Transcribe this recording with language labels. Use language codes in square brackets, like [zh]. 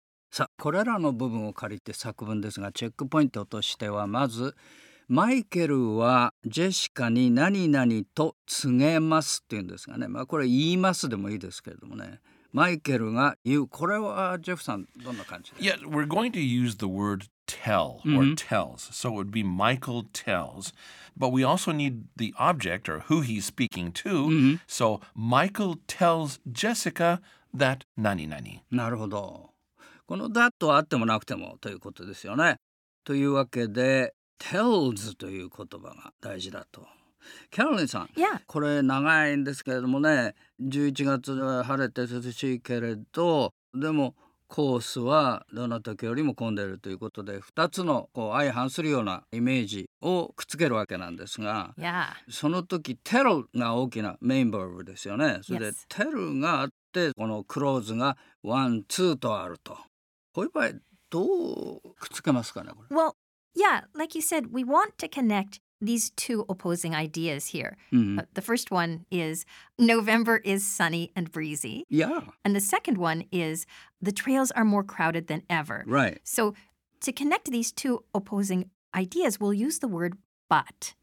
[ja] さあ、これらの部分を借りて作文ですが、チェックポイントとしては、まず、マイケルはジェシカに何々と告げますっていうんですがね、まあこれ言いますでもいいですけれどもね、マイケルが言う、これはジェフさん、どんな感じですか? [en] Yeah, we're going to use the word tell or tells, so it would be Michael tells, but we also need the object or who he's speaking to, so Michael tells Jessica that 何々。 [ja] なるほど。この that はあってもなくてもということですよね。というわけで tells という言葉が大事だと。キャロリンさん、これ長いんですけれどもね、11月は晴れて涼しいけれど、でもコースはどの時よりも混んでいるということで、2つのこう相反するようなイメージをくっつけるわけなんですが、その時 tell が大きなメインバーブですよね。それで tell があって、このクローズが1、2とあると。こういう場合、どうくっつけますかね、これ。 [en] Well, yeah, like you said, we want to connect these two opposing ideas here. Mm-hmm. The first one is November is sunny and breezy. Yeah. And the second one is the trails are more crowded than ever. Right. So to connect these two opposing ideas, we'll use the word but.